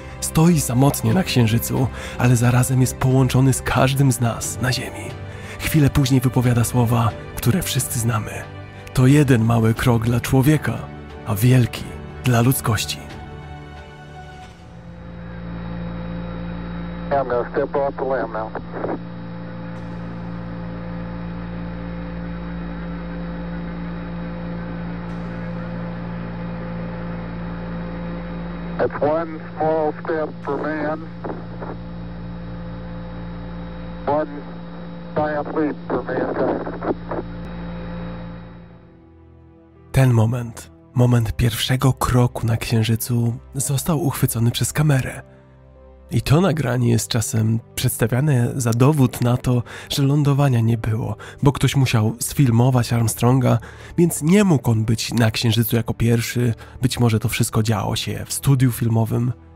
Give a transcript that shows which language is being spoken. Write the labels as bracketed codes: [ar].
[pl] Stoi samotnie na księżycu, ale zarazem jest połączony z każdym z nas na Ziemi. Chwilę później wypowiada słowa, które wszyscy znamy. To jeden mały krok dla człowieka, a wielki dla ludzkości. [en] I'm gonna step off the limb now. It's one small step for man, one giant leap for mankind. [pl] Ten moment, moment pierwszego kroku na Księżycu, został uchwycony przez kamerę. I to nagranie jest czasem przedstawiane za dowód na to, że lądowania nie było, bo ktoś musiał sfilmować Armstronga, więc nie mógł on być na Księżycu jako pierwszy, być może to wszystko działo się w studiu filmowym.